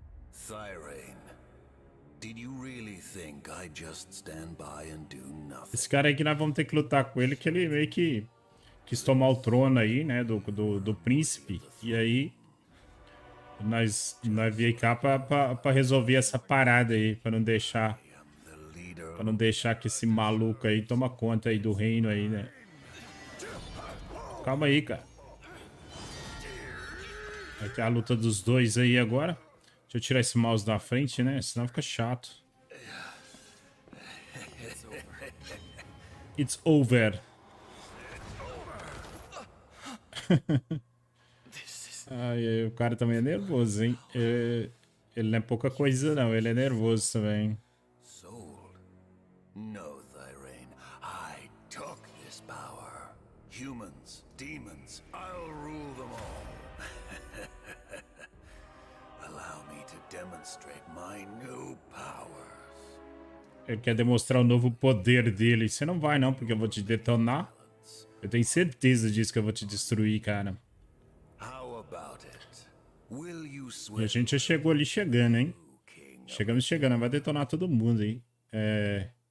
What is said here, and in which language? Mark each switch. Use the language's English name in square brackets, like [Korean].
[English] Cyrene, did you really think I just stand by and do nothing? [Portuguese] Esse cara aí que nós vamos ter que lutar com ele, que ele meio que quis tomar o trono aí, né, do príncipe. E aí, nós viemos cá pra resolver essa parada aí, pra não deixar que esse maluco aí toma conta aí do reino aí, né. Calma aí, cara. Aqui é a luta dos dois aí agora. Deixa eu tirar esse mouse da frente, né? Senão fica chato. [English] It's over. [Portuguese] Ai, o cara também é nervoso, hein? Ele não é pouca coisa, não. Ele é nervoso também. [English] No, Thyrene. I took this power. Humans, demons, I'll rule them all. Allow me. to demonstrate my new powers. [Portuguese] Ele quer demonstrar o novo poder dele. Você não vai não, porque eu vou te detonar. Eu tenho certeza disso, que eu vou te destruir, cara. [English] How about it? Will you swear? [Portuguese] E a gente já chegou ali chegando, hein? Chegamos chegando, vai detonar todo mundo aí. É...